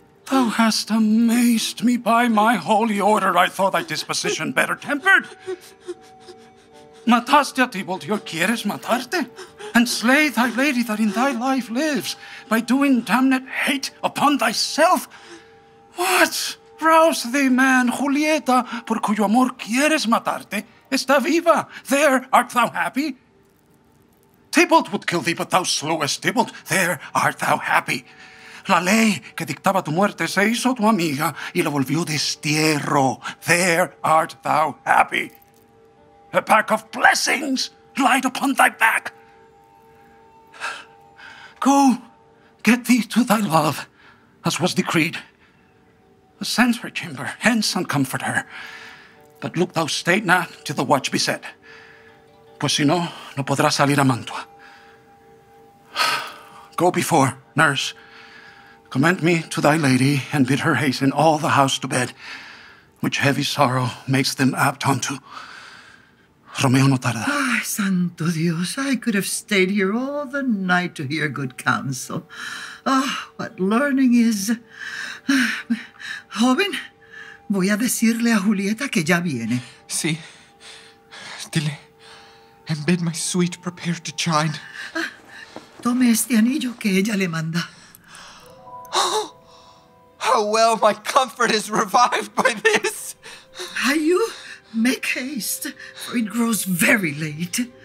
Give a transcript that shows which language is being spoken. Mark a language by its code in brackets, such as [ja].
[en] Thou hast amazed me by my holy order. I thought thy disposition better tempered. [es] Mataste a Tybalt, ¿yo quieres matarte? [en] and slay thy lady that in thy life lives by doing damned hate upon thyself? What? Rouse thee, man. [es] Julieta, por cuyo amor quieres matarte, está viva. [en] There art thou happy? Tybalt would kill thee, but thou slowest Tybalt. There art thou happy? [es] La ley que dictaba tu muerte se hizo tu amiga y la volvió destierro. [en] There art thou happy? A pack of blessings light upon thy back. Go, get thee to thy love, as was decreed. Ascend her chamber, hence, and comfort her. But look thou stay not till the watch be set. [es] Pues si no, no podrás salir a Mantua. [en] Go before, nurse. Commend me to thy lady, and bid her hasten all the house to bed, which heavy sorrow makes them apt unto. [es] Romeo no tarda. Ay, santo Dios, [en] I could have stayed here all the night to hear good counsel. Ah, oh, what learning is. [es] Joven, voy a decirle a Julieta que ya viene. Sí. [en] Dile, and bid my suite prepare to chide. [es] Tome este anillo que ella le manda. [en] Oh, how well my comfort is revived by this. Are you? Make haste, for it grows very late.